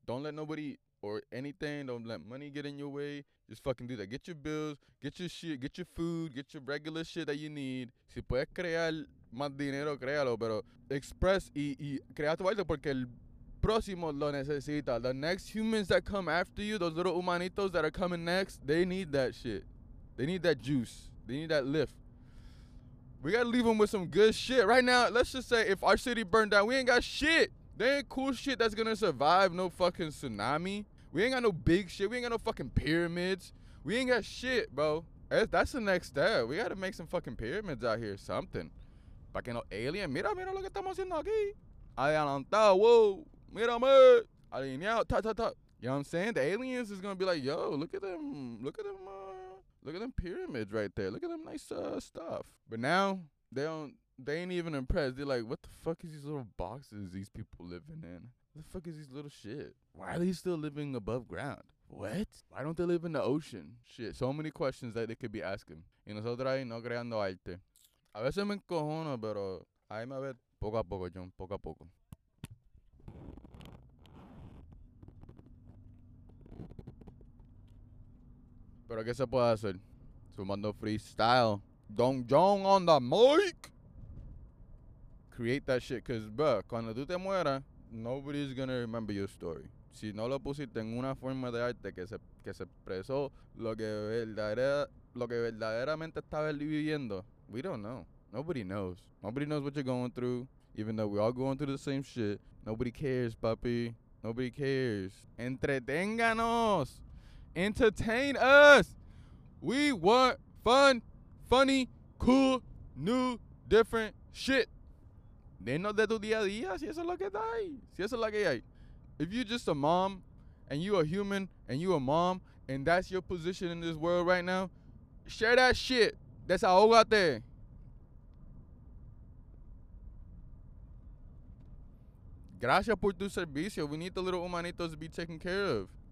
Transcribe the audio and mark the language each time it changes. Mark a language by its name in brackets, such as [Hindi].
[English] Don't let nobody or anything, don't let money get in your way. Just fucking do that. Get your bills, get your shit, get your food, get your regular shit that you need. [Spanish] Si puedes crear más dinero, créalo, pero express y crea tu arte porque el próximo lo necesita. [English] The next humans that come after you, those little humanitos that are coming next, they need that shit. They need that juice. They need that lift. We got to leave them with some good shit. Right now, let's just say if our city burned down, we ain't got shit. There ain't cool shit that's going to survive no fucking tsunami. We ain't got no big shit. We ain't got no fucking pyramids. We ain't got shit, bro. That's the next step. We got to make some fucking pyramids out here or something. [Spanish] Para que no alien. Mira, mira lo que estamos haciendo aquí. Adelantado, whoa. Mira, man. Alineado, ta, ta, ta. [English] You know what I'm saying? The aliens is going to be like, yo, look at them. Look at them, look at them pyramids right there. Look at them nice stuff. But now, they ain't even impressed. They're like, what the fuck is these little boxes these people living in? What the fuck is these little shit? Why are they still living above ground? What? Why don't they live in the ocean? Shit, so many questions that they could be asking. [Spanish] Y nosotros ahí no creando arte. A veces me encojono, pero ahí me ve poco a poco, John, poco a poco. Pero qué se puede hacer, sumando [English] freestyle, Don John on the mic, create that shit, cause bro, [Spanish] cuando tú te mueras, [English] nobody's gonna remember your story. [Spanish] Si no lo pusiste en una forma de arte que se expresó lo que verdaderamente estaba viviendo, [English] we don't know. Nobody knows. Nobody knows what you're going through, even though we're all going through the same shit. Nobody cares, puppy. Nobody cares. [Spanish] Entreténganos. [English] Entertain us. We want fun, funny, cool, new, different shit. [Spanish] Denos de tu día a día, si eso es lo que hay. Si eso es lo que hay. [English] If you're just a mom, and you a human, and you a mom, and that's your position in this world right now, share that shit. [Spanish] Desahógate. Gracias por tu servicio. [English] We need the little humanitos to be taken care of.